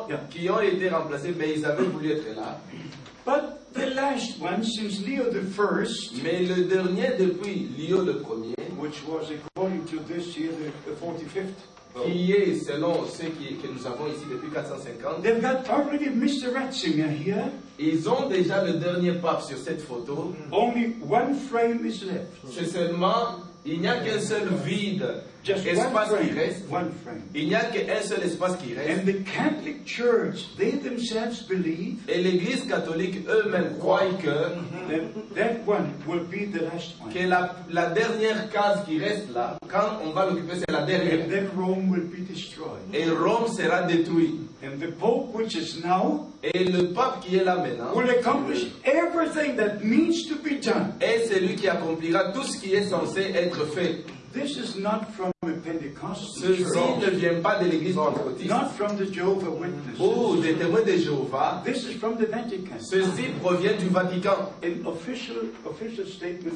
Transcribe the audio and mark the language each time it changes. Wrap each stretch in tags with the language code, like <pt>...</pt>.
<fr>Qui ont été remplacés, mais ils avaient voulu être là.</fr> <en>But the last one, since Leo the First,</en> <fr>mais le dernier depuis Leo le premier,</fr> <en>which was according to this year the 45th,</en> <fr>qui est selon ce que nous avons ici depuis 450,</fr> <en>they've got already Mr. Ratzinger here.</en> <fr>Ils ont déjà le dernier pape sur cette photo.</fr> <en>Only one frame is left.</en> <fr>C'est seulement il n'y a qu'un seul vide.</fr> <en>Just one frame.</en> <fr>Qui reste.</fr> <en>And the Catholic Church, they themselves believe.</en> <fr>Et l'Église catholique eux-mêmes croient que</fr> <en>that one will be the last one.</en> <fr>Que la dernière case qui reste là, quand on va l'occuper, c'est la dernière.</fr> <en>And then Rome will be destroyed.</en> <fr>Et Rome sera détruite.</fr> <en>And the Pope, which is now,</en> <fr>et le pape qui est là maintenant,</fr> <en>will accomplish everything that needs to be done.</en> <fr>Et c'est lui qui accomplira tout ce qui est censé être fait.</fr> <en>This is not from a Pentecostal church.</en> <fr>Ceci ne vient pas de l'Église pentecôtiste.</fr> <en>Not from the Jehovah Witnesses.</en> <fr>Oh, des témoins de Jéhovah.</fr> <en>This is from the Vatican.</en> <fr>Ceci provient du Vatican.</fr> <en>An official statement.</en>